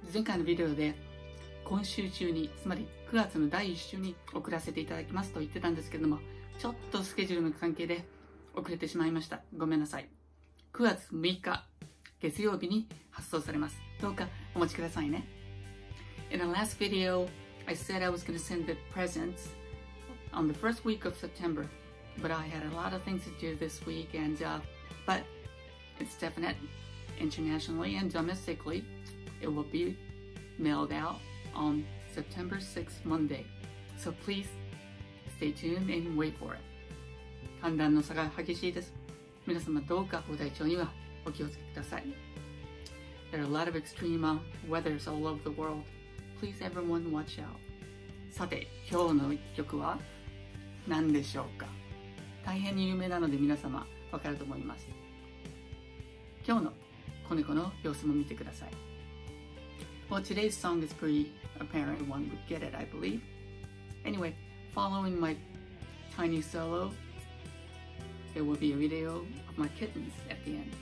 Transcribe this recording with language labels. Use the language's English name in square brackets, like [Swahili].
[Japanese] 前回のビデオで今週中に、つまり9月の第1週に送らせていただきますと言ってたんですけども、ちょっとスケジュールの関係で遅れてしまいました。ごめんなさい。 9月6日月曜日に発送されます。どうかお待ちくださいね。 [English] In the last video, I said I was going to send the presents on the first week of September, but I had a lot of things to do this week and but it's definite internationally and domestically it will be mailed out on September 6th Monday. So please stay tuned and wait for it. [Japanese] 寒暖の差が激しいです。皆様どうかご体調にはお気をつけください。 [English] There are a lot of extreme weathers all over the world. Please everyone watch out. [Japanese] さて今日の曲は何でしょうか。大変に有名なので皆様わかると思います。今日の子猫の様子も見てください。 [English] Well, today's song is pretty apparent. Everyone would get it, I believe. Anyway, following my tiny solo, there will be a video of my kittens at the end.